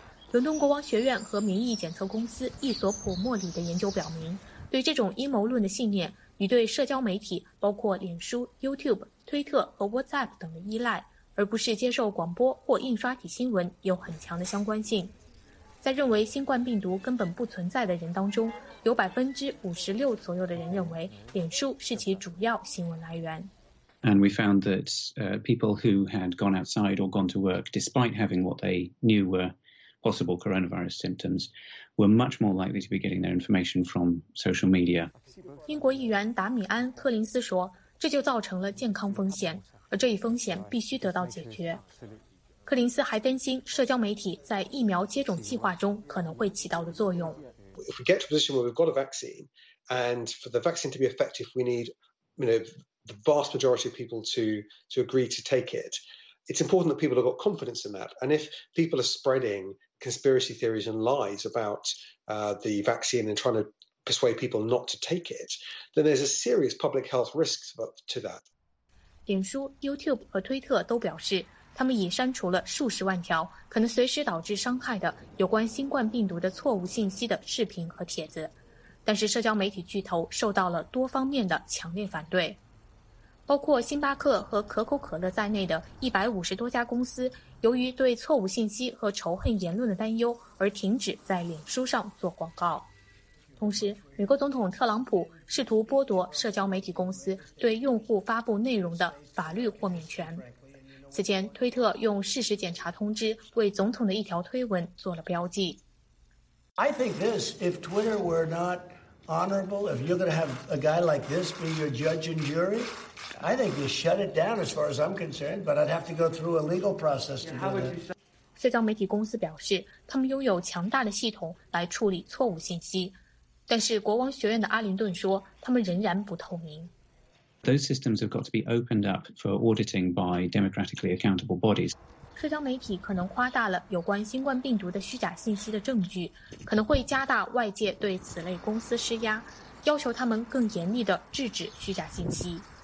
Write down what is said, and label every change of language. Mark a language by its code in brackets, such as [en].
[zh] 伦敦国王学院和民意检测公司伊索普莫里的研究表明，对这种阴谋论的信念与对社交媒体包括脸书、YouTube、推特和 WhatsApp 等的依赖，而不是接受广播或印刷体新闻有很强的相关性。在认为新冠病毒根本不存在的人当中，有56%左右的人认为脸书是其主要新闻来源。 [en] And we found that people who had gone outside or gone to work, despite having what they knew were possible coronavirus symptoms, were much more likely to be getting their information from social media. [zh] 英国议员达米安·柯林斯说，这就造成了健康风险，而这一风险必须得到解决。柯林斯还担心社交媒体在疫苗接种计划中可能会起到的作用。 [en] If we get to a position where we've got a vaccine, and for the vaccine to be effective, we need, you know, the vast majority of people to agree to take it. It's important that people have got confidence in that. And if people are spreading conspiracy theories and lies about the vaccine and trying to persuade people not to take it, then there's a serious public health risk to that. [zh] 脸书、YouTube 和推特都表示，他们已删除了数十万条可能随时导致伤害的有关新冠病毒的错误信息的视频和帖子，但是社交媒体巨头受到了多方面的强烈反对。包括星巴克和可口可乐在内的150多家公司，由于对错误信息和仇恨言论的担忧而停止在脸书上做广告。同时，美国总统特朗普试图剥夺社交媒体公司对用户发布内容的法律豁免权。此前，推特用事实检查通知为总统的一条推文做了标记。 [en] I think this, if Twitter were not honorable, if you're going to have a guy like this be your judge and jury, I think you shut it down as far as I'm concerned, but I'd have to go through a legal process to do that. [zh] 社交媒体公司表示，他们拥有强大的系统来处理错误信息。但是国王学院的阿灵顿说，他们仍然不透明。 [en] Those systems have got to be opened up for auditing by democratically accountable bodies. [zh] 社交媒体可能夸大了有关新冠病毒的虚假信息的证据，可能会加大外界对此类公司施压，要求他们更严厉地制止虚假信息。